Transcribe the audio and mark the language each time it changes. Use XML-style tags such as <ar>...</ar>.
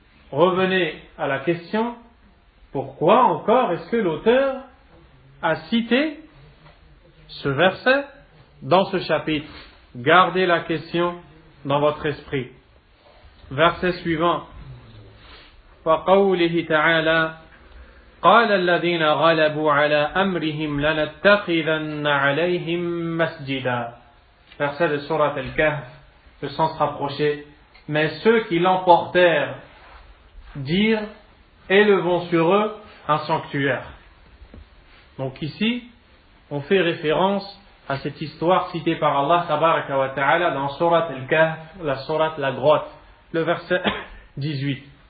<fr>Revenez à la question, pourquoi encore est-ce que l'auteur a cité ce verset dans ce chapitre? Gardez la question dans votre esprit. Verset suivant.</fr> <ar>وقوله تعالى قال الذين غلبوا على أمرهم لنتخذن عليهم مسجدا.</ar> <fr>Verset de Sourate Al-Kahf, le sens rapproché. Mais ceux qui l'emportèrent dirent, élevons sur eux un sanctuaire. Donc ici, on fait référence à cette histoire citée par Allah tabaraka wa ta'ala dans Sourate Al-Kahf, la Sourate La Grotte, le verset 18.</fr>